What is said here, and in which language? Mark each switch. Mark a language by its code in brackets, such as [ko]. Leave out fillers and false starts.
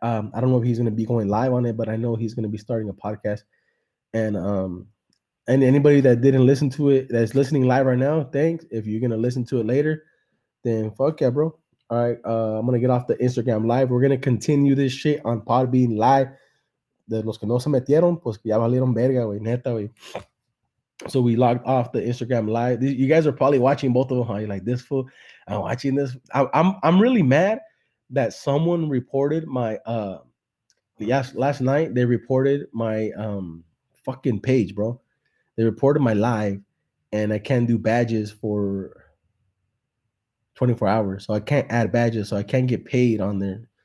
[en] I don't know if he's going to be going live on it, but I know he's going to be starting a podcast. And anybody that didn't listen to it, that's listening live right now, thanks. If you're going to listen to it later, then fuck yeah, bro. All right, I'm going to get off the Instagram live. We're going to continue this shit on Podbean live. [es] De los que no se metieron, pues ya valieron verga, güey, neta, güey. [en] So we logged off the Instagram live. You guys are probably watching both of them, huh? You're like, this fool, I'm watching this. I'm really mad that someone reported my, last night they reported my fucking page, bro. They reported my live, and I can't do badges for 24 hours, so I can't add badges, so I can't get paid on there.